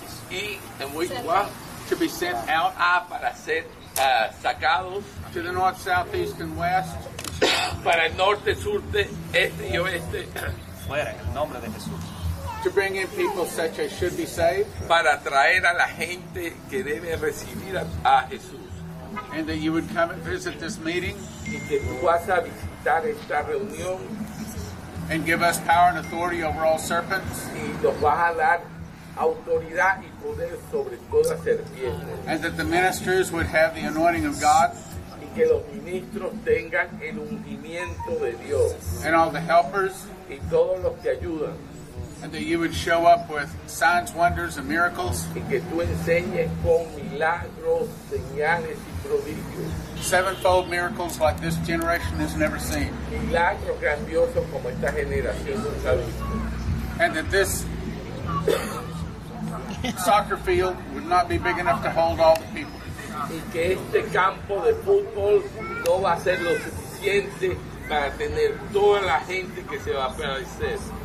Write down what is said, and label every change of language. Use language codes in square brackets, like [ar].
[en] Y, and we, to be sent out. [es] Ah, para ser sacados. [en] To the north, south, east, and west. [es] Para el norte, sur, este y oeste. Fuera, en nombre de Jesús. [en] To bring in people such as should be saved. [es] Para traer a la gente que debe recibir a Jesús. [en] And that you would come and visit this meeting. [es] Y que tú vas a visitar esta reunión. [en] And give us power and authority over all serpents. [es] Y nos vas a dar autoridad y poder sobre toda serpiente. [en] And that the ministers would have the anointing of God. [es] Y que los ministros tengan el ungimiento de Dios. [en] And all the helpers. [es] Y todos los que ayudan. [en] And that you would show up with signs, wonders, and miracles. [es] Y que tú enseñes con milagros, señales y prodigios. [en] Sevenfold miracles like this generation has never seen. [es] Milagros grandiosos como esta generación nunca ha visto. [en] And that this soccer field would not be big enough to hold all the people. [es] Y que este campo de fútbol no va a ser lo suficiente para tener toda la gente que se va a aparecer.